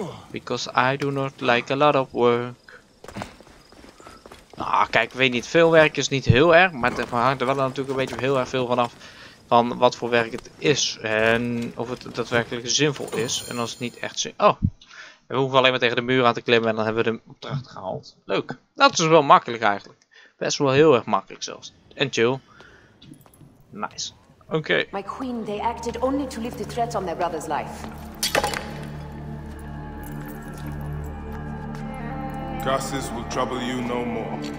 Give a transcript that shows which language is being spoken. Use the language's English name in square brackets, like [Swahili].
[English] Because I do not like a lot of work. [Dutch] Nou, kijk, ik weet niet. Veel werk is niet heel erg. Maar het hangt er wel natuurlijk een beetje heel erg veel vanaf. Van wat voor werk het is. En of het daadwerkelijk zinvol is. En als het niet echt zin... Oh. We hoeven alleen maar tegen de muur aan te klimmen en dan hebben we de opdracht gehaald. Leuk. Dat is wel makkelijk eigenlijk. Best wel heel erg makkelijk zelfs. En chill. Nice. Oké. [English] My queen, they acted only to lift the threat on their brother's life. Curses will trouble you no more.